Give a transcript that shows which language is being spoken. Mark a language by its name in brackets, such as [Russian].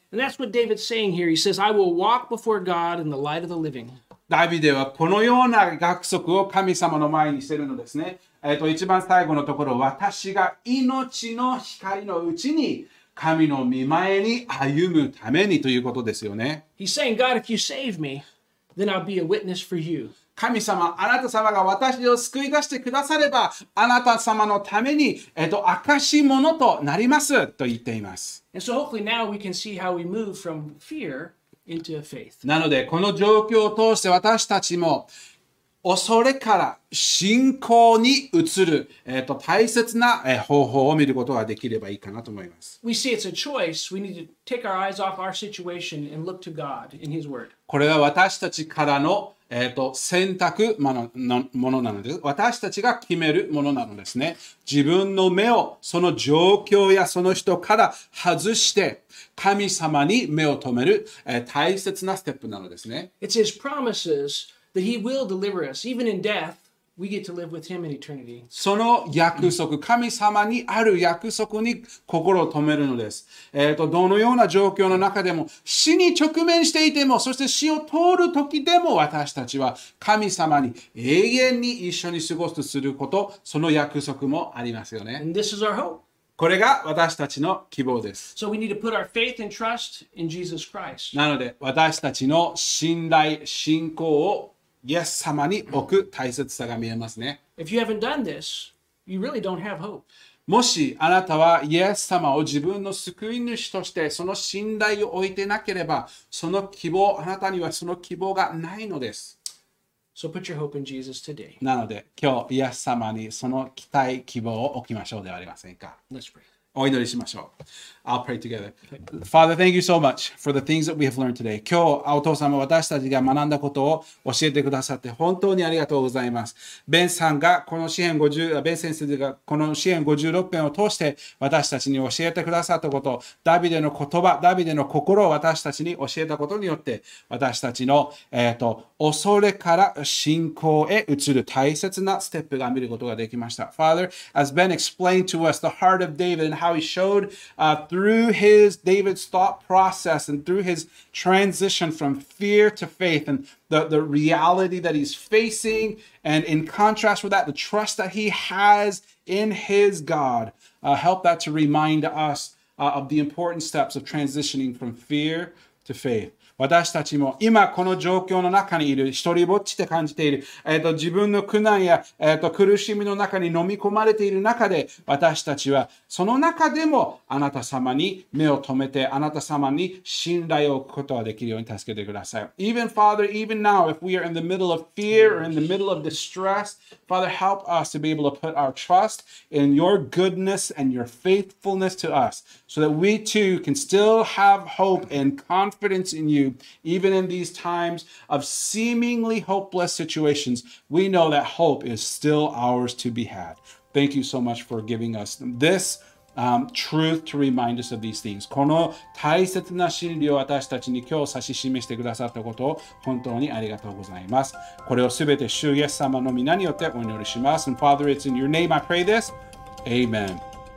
[English] And that's what David's saying here. He says, I will walk before God in the light of the living. [Japanese] ダビデはこのような約束を神様の前にしているのですね。一番最後のところ、私が命の光のうちに神の御前に歩むためにということですよね。 [English] He's saying, God, if you save me, then I'll be a witness for you. [Japanese] 神様、あなた様が私を救い出してくだされば、あなた様のために、証し者となりますと言っています。 [English] And so hopefully now we can see how we move from fear. Into faith. [Japanese] なのでこの状況を通して私たちも恐れから信仰に移る、大切な方法を見ることができればいいかなと思います。 [English] We see it's a choice. We need to take our eyes off our situation and look to God in His Word. [Japanese] これは私たちからの、選択ものなので、私たちが決めるものなのですね。自分の目をその状況やその人から外して神様に目を留める、大切なステップなのですね。 [English] It's His promises that He will deliver us, even in death. We get to live with him in eternity. [Japanese] その約束、神様にある約束に心を留めるのです。どのような状況の中でも、死に直面していても、そして死を通る時でも、私たちは神様に永遠に一緒に過ごすとすること、その約束もありますよね。 [English] And this is our hope. [Japanese] これが私たちの希望です。 [English] So we need to put our faith and trust in Jesus Christ. [Japanese] なので、私たちの信頼、信仰をイエス様に置く大切さが見えますね。 [English] If you haven't done this, you really don't have hope. [Japanese] もしあなたはイエス様を自分の救い主としてその信頼を置いてなければ、その希望、あなたにはその希望がないのです。 [English] So put your hope in Jesus today. [Japanese] なので今日イエス様にその期待、希望を置きましょうではありませんか。 [English] Let's pray. [Japanese] お祈りしましょう。 [English] I'll pray together. Father, thank you so much for the things that we have learned today. [Japanese] 今日、お父様、私たちが学んだことを教えてくださって本当にありがとうございます。ベンさんがこの詩篇50、ベン先生がこの詩篇56編を通して私たちに教えてくださったこと、ダビデの言葉、ダビデの心を私たちに教えたことによって私たちの、恐れから信仰へ移る大切なステップが見ることができました。 [English] Father, as Ben explained to us the heart of David and how he showed, through his David's thought process and through his transition from fear to faith and the reality that he's facing and in contrast with that the trust that he has in his God help that to remind us of the important steps of transitioning from fear to faith. [Japanese] 私たちも今この状況の中にいる、一人ぼっちって感じている、自分の苦難や、苦しみの中に飲み込まれている中で、私たちはその中でもあなた様に目を留めて、あなた様に信頼を置くことができるように助けてください。 [English] Even Father, even now, if we are in the middle of fear or in the middle of distress, Father, help us to be able to put our trust in your goodness and your faithfulness to us, so that we too can still have hope and confidence in you. Even in these times of seemingly hopeless situations, we know that hope is still ours to be had. Thank you so much for giving us this, truth to remind us of these things. [Japanese] この大切な真理を私たちに今日指し示してくださったことを本当にありがとうございます。これをすべて主イエス様の御名によってお祈りします。 [English] And Father, it's in your name I pray this. Amen.